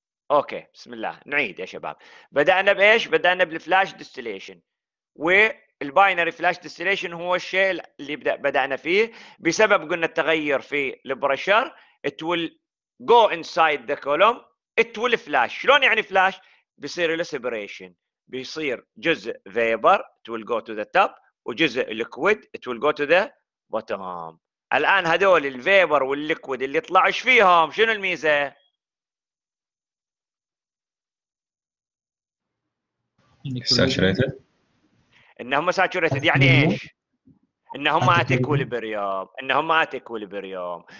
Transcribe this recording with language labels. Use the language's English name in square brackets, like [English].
[Arabic] اوكي بسم الله، نعيد يا شباب. بدأنا بإيش؟ بدأنا بالفلاش ديستليشن، والباينري فلاش ديستليشن هو الشيء اللي بدأنا فيه. بسبب قلنا التغير في البريشر [English] it will go inside the column it will flash. [Arabic] شلون يعني فلاش؟ بيصير السبريشن، بيصير جزء فيبر [English] it will go to the top [Arabic] وجزء [English] liquid it will go to the bottom. [Arabic] الآن هذول الفيبر والليكويد اللي طلعوا ايش فيهم؟ شنو الميزة؟ انهم ساتشوريتد. يعني ايش؟ انهم ات اكوليبريوم، انهم ات اكوليبريوم.